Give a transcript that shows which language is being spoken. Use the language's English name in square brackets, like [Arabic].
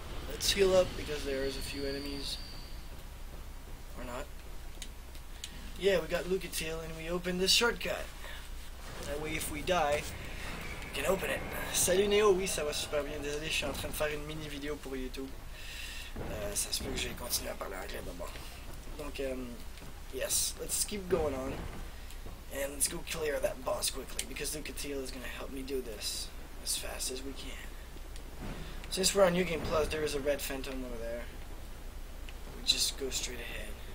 [English] Let's heal up because there is a few enemies. Or not. Yeah, we got Lucatiel and we opened this shortcut. That way if we die, we can open it. [French] Salut Neo, oui ça va super bien, désolé, je suis en train de faire une mini vidéo pour YouTube. Ça se peut que j'aille continuer à parler anglais d'abord. [English] Donc, yes, let's keep going on. And let's go clear that boss quickly, because Lucatiel is gonna help me do this as fast as we can. Since we're on New Game Plus, there is a red phantom over there. We just go straight ahead.